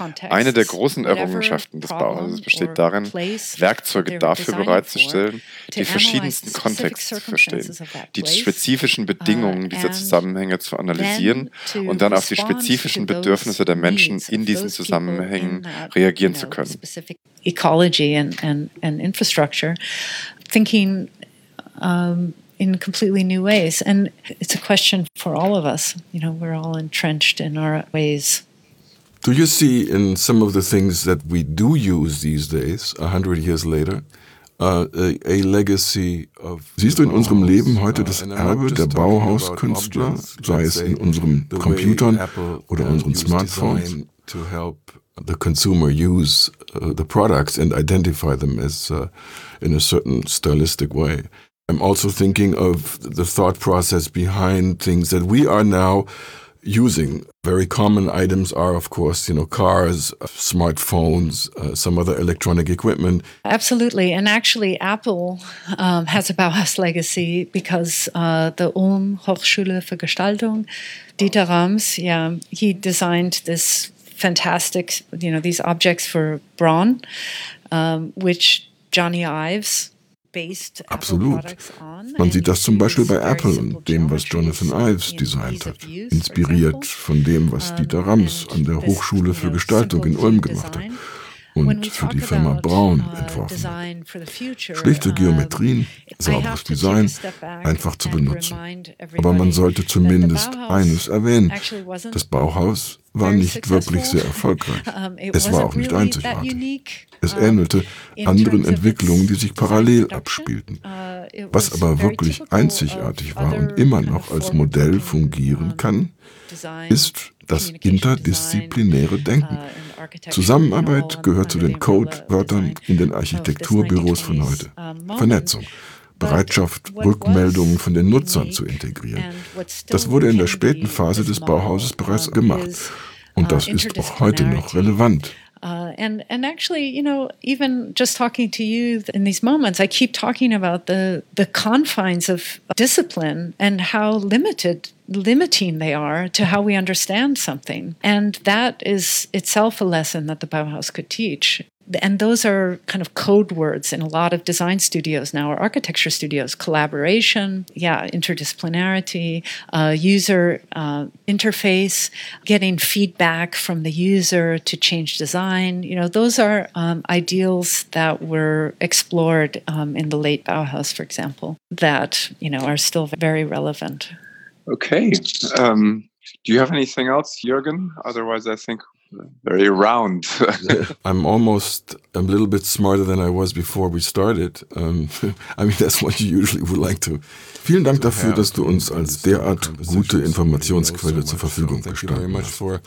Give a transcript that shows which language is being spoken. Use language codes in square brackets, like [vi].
[de] Eine der großen Errungenschaften des Bauhauses besteht darin, Werkzeuge dafür bereitzustellen, die verschiedensten Kontext zu verstehen, die spezifischen Bedingungen dieser Zusammenhänge zu analysieren und dann auf die spezifischen Bedürfnisse der Menschen in diesen Zusammenhängen reagieren zu können. [en] Ecology and infrastructure, thinking in completely new ways. And it's a question for all of us. You know, we're all entrenched in our ways. Do you see in some of the things that we do use these days, 100 years later, a legacy of [de] siehst du in unserem Leben heute das Erbe der Bauhauskünstler, sei es in unseren Computern oder unseren Smartphones, [en] to help the consumer use the products and identify them as in a certain stylistic way? I'm also thinking of the thought process behind things that we are now using. Very common items are, of course, you know, cars, smartphones, some other electronic equipment. Absolutely. And actually, Apple has a Bauhaus legacy because the Ulm Hochschule für Gestaltung, Dieter Rams, he designed this fantastic, you know, these objects for Braun, which Johnny Ives based Apple. [de] Absolut. Man sieht das zum Beispiel bei Apple und dem, was Jonathan Ives designt hat, inspiriert von dem, was Dieter Rams an der Hochschule für Gestaltung in Ulm gemacht hat und für die Firma Braun entworfen hat. Schlichte Geometrien, sauberes Design, einfach zu benutzen. Aber man sollte zumindest eines erwähnen: Das Bauhaus war nicht wirklich sehr erfolgreich. Es war auch nicht einzigartig. Es ähnelte anderen Entwicklungen, die sich parallel abspielten. was aber wirklich einzigartig war und immer noch als Modell fungieren kann, ist das interdisziplinäre Denken. Zusammenarbeit gehört zu den Codewörtern in den Architekturbüros von heute. Vernetzung, Bereitschaft, Rückmeldungen von den Nutzern zu integrieren. Das wurde in der späten Phase des Bauhauses bereits gemacht. Und das ist auch heute noch relevant. [en] And actually, you know, even just talking to you in these moments, I keep talking about the confines of discipline and how limiting they are to how we understand something. And that is itself a lesson that the Bauhaus could teach. And those are kind of code words in a lot of design studios now, or architecture studios: collaboration, yeah, interdisciplinarity, user interface, getting feedback from the user to change design. You know, those are ideals that were explored in the late Bauhaus, for example, that, you know, are still very relevant. Okay. Do you have anything else, Jürgen? Otherwise, I think very round. Yeah, I'm almost a little bit smarter than I was before we started. I mean, that's what you usually would like to. [de] Vielen Dank dafür, dass du uns als derart gute Informationsquelle zur Verfügung gestanden hast.